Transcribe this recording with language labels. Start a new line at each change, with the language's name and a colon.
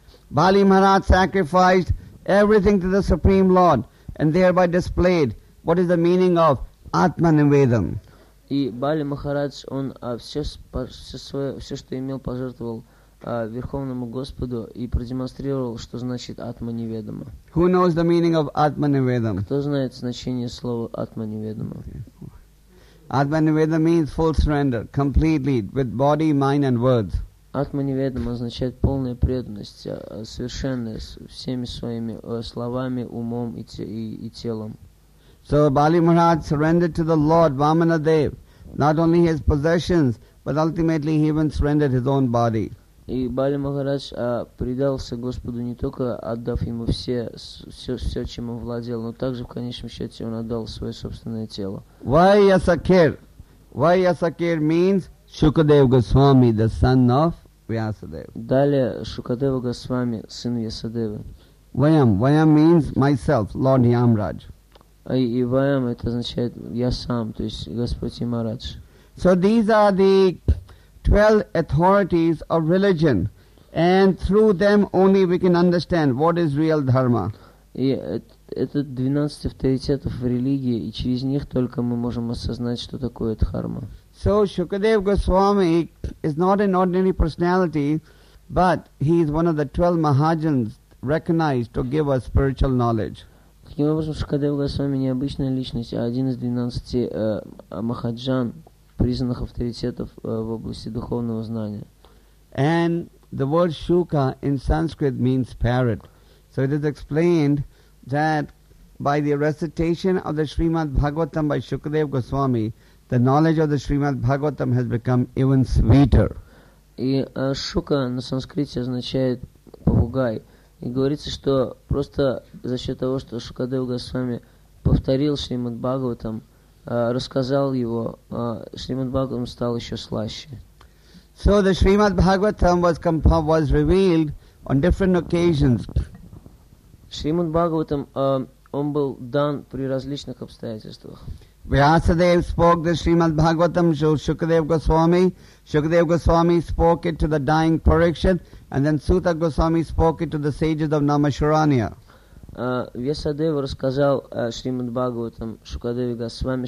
English: Bali Maharaj sacrificed everything to the Supreme Lord and thereby displayed what is the meaning of Atmanivedam.
Russian: И Бали Махарадж, он все, что имел, пожертвовал Верховному Господу и продемонстрировал, что значит Атма-неведома.
English: Who knows the meaning of Atma-неведом?
Russian: Кто знает значение слова Атма-неведома?
English: Атма-неведом means full surrender, completely, with body, mind and words.
Russian: Атма-неведом означает полная преданность, совершенная всеми своими словами, умом и телом.
English: So Bali Maharaj surrendered to the Lord Vamanadev, not only his possessions, but ultimately he even surrendered his own body.
Russian: И Бали Махарадж предался Господу не только отдав ему все, чем он владел, но также в конечном счете он отдал свое собственное тело.
English: Vayasakir. Vayasakir means Shukadev Goswami, the son of Vyasadev.
Russian: Далее Шукадева Госвами, сын Вьясадевы.
English: Vayam. Vayam means myself, Lord Yamraj.
Russian: И Ваям это означает я сам, то есть Господь Ямарадж.
English: So these are the 12 authorities of religion, and through them only we can understand what is real dharma.
Russian: И это 12 авторитетов в религии, и через них только мы можем осознать, что такое дхарма.
English: So Shukadev Goswami is not an ordinary personality, but he is one of the 12 Mahajans recognized to give us spiritual knowledge.
Russian: Таким образом, Шукадев Госвами не обычная личность, а один из 12 махаджан, признанных авторитетов в области духовного знания.
English: And the word Shuka in Sanskrit means parrot. So it is explained that by the recitation of the Srimad Bhagavatam by Shukadev Goswami, the knowledge of the Srimad Bhagavatam has become even sweeter.
Russian: И Шука на санскрите означает попугай. И говорится, что просто за счет того, что Шукадев Госвами повторил Шримад Бхагаватам, рассказал его, Шримад Бхагаватам стал еще слаще.
English: So the Shrimad Bhagavatam was revealed on different occasions.
Russian: Шримад Бхагаватам, он был дан при различных обстоятельствах.
English: Vyasadev spoke the Shrimad Bhagavatam to Shukadev Goswami. Shukadev Goswami spoke it to the dying Parikshit, and then Suta Goswami spoke it to the sages of Namasharanya.
Russian: Vyasadev рассказал Shrimad Bhagavatam Shukadev Goswami.